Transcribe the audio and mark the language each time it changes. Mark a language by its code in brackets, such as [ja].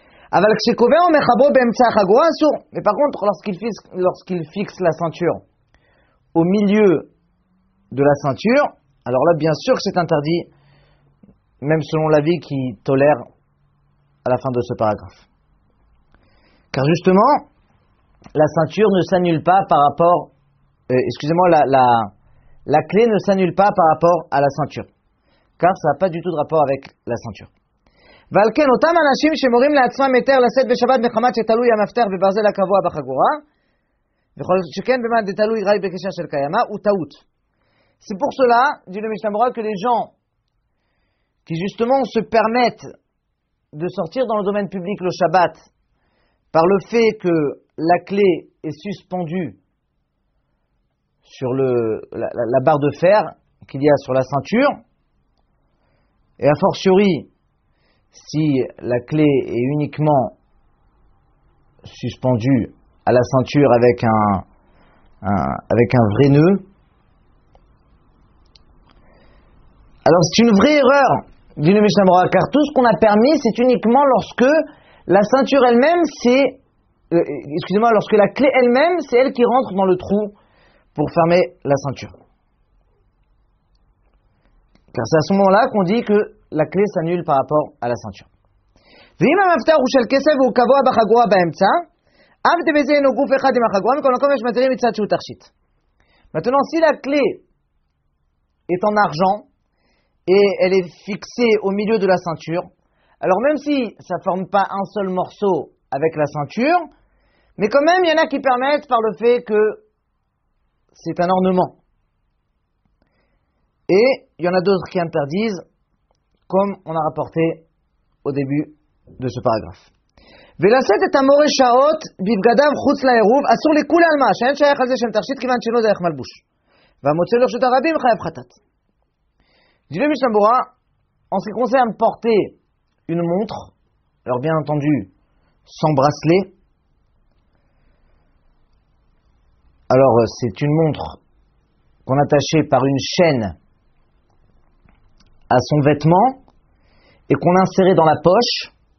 [fr] Mais par contre, lorsqu'il fixe la ceinture au milieu de la ceinture, alors là, bien sûr que c'est interdit, même selon l'avis qu'il tolère à la fin de ce paragraphe. Car justement, la ceinture ne s'annule pas par rapport... La clé ne s'annule pas par rapport à la ceinture. Car ça n'a pas du tout de rapport avec la ceinture. [he] ולכן אותם אנשים שמורים לעצמם היתר לשאת בשבת מחמת שתלוי המפתח בברזל הקבוע בחגורה, וכל שכן במה דתלוי רק בקשר של קיימה, הוא טעות. סיפור שלה, דיון המשנה ברורה, [fr] que les gens qui justement se permettent de sortir dans le domaine public le Shabbat par le fait que la clé est suspendue sur la barre de fer qu'il y a sur la ceinture, et a fortiori, si la clé est uniquement suspendue à la ceinture avec un vrai nœud, alors c'est une vraie erreur, dit le Mishnah Berurah, car tout ce qu'on a permis, c'est uniquement lorsque la ceinture elle-même, lorsque la clé elle-même, c'est elle qui rentre dans le trou pour fermer la ceinture. Car c'est à ce moment-là qu'on dit que la clé s'annule par rapport à la ceinture. [he] ואם המפתח הוא של כסף והוא קבוע בחגורה באמצע, אף דבזה אינו גוף אחד עם החגורה, מכל מקום יש מתירים מצד שהוא תכשיט. [fr] Maintenant, si la clé est en argent et elle est fixée au milieu de la ceinture, alors même si ça ne forme pas un seul morceau avec la ceinture, mais quand même, il y en a qui permettent par le fait que c'est un ornement. Et il y en a d'autres qui interdisent, comme on a rapporté au début de ce paragraphe. [he] ולשאת את המורה שעות בבגדיו חוץ לעירוב, אסור לכולי עלמא, שאין שייך לזה שם תכשיט כיוון שאינו דרך מלבוש. והמוצא לרשות הרבים חייב חטאת. דיון משנה ברורה, [fr] en ce qui concerne porter une montre, alors bien entendu, sans bracelet, alors c'est une montre qu'on attachait par une chaîne à son vêtement et qu'on insérait dans la poche.